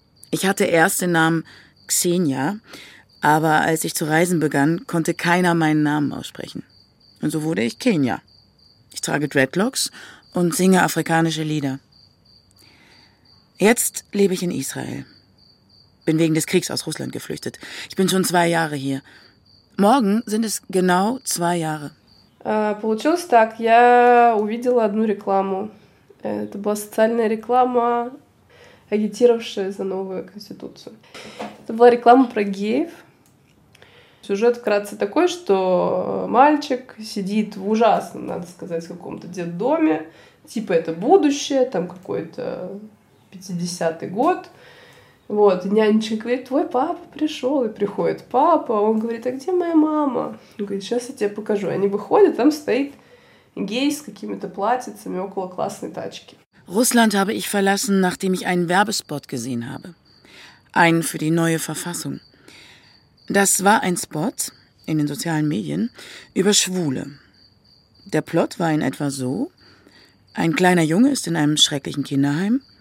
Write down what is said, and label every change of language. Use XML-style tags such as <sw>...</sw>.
<de>Ich hatte erst den Namen Xenia, aber als ich zu reisen begann, konnte keiner meinen Namen aussprechen. Und so wurde ich Kenya. Ich trage Dreadlocks und singe afrikanische Lieder. Jetzt lebe ich in Israel. Bin wegen des Kriegs aus Russland geflüchtet. Ich bin schon 2 Jahre hier. Morgen sind es genau 2 Jahre.</de> <ru>Получилось так, я увидела одну рекламу. Это была социальная реклама, агитировавшая за новую конституцию. Это была реклама про геев. Сюжет вкратце такой, что мальчик сидит в ужасном, надо сказать, каком-то детдоме. Типа это будущее, там какой-то 50-й год. Вот, нянечка говорит, твой папа пришел, и приходит папа, он говорит, а где моя мама? Он говорит, сейчас я тебе покажу. Они выходят, там стоит гей с какими-то платьицами около классной тачки.</ru> <de>Russland habe ich verlassen, nachdem ich einen Werbespot gesehen habe. Einen für die neue Verfassung. Das war ein Spot in den sozialen Medien über Schwule. Der Plot war in etwa so, ein kleiner Junge ist in einem schrecklichen Kinderheim.</de>